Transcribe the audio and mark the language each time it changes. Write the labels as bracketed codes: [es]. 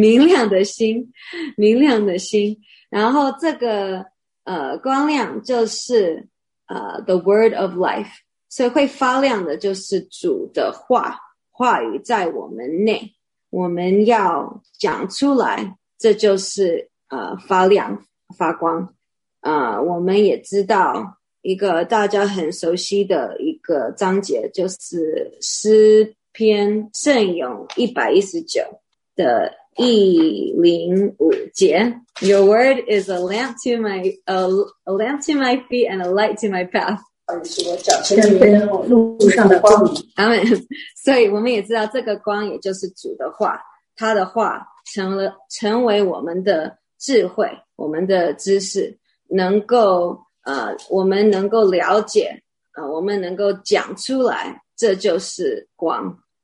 [zh] 明亮的心，明亮的心。然后这个光亮就是 [en] the word of life， [zh] 所以会发亮的就是主的话，话语在我们内，我们要讲出来，这就是发亮发光。我们也知道一个大家很熟悉的一个章节，就是诗篇圣咏119的105节。 [en] Your word is a lamp to my feet and a light to my path， [zh] 是我脚前的路上的光明。所以我们也知道这个光也就是主的话，他的话成为我们的智慧，我们的知识，能够我们能够了解我们能够讲出来，这就是光。